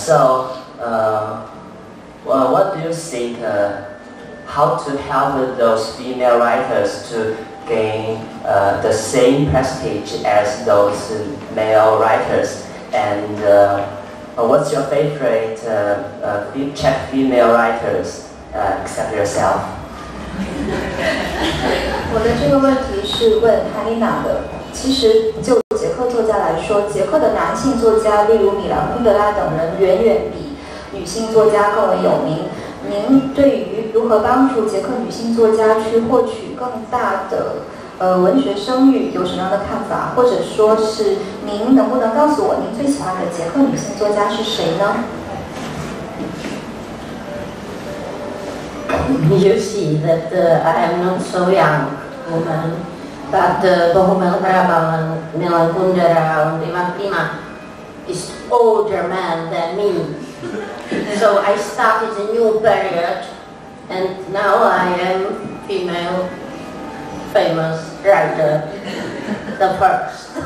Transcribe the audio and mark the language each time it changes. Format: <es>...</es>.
<en>So, what do you think, how to help those female writers to gain the same prestige as those male writers? And what's your favorite Czech female writers, except yourself?</en> <zh>我的这个问题是问哈里娜的。其实就捷克作家来说，捷克的男性作家例如米兰昆德拉等人远远比女性作家更为有名。您对于如何帮助捷克女性作家去获取更大的文学声誉有什么样的看法？或者说是您能不能告诉我您最喜欢的捷克女性作家是谁呢？</zh> <en>You see that I am not so young woman, but Bohumil Hrabal and Milan Kundera and Ivan Prima is older man than me. So I started a new period and now I am female famous writer, the first.</en>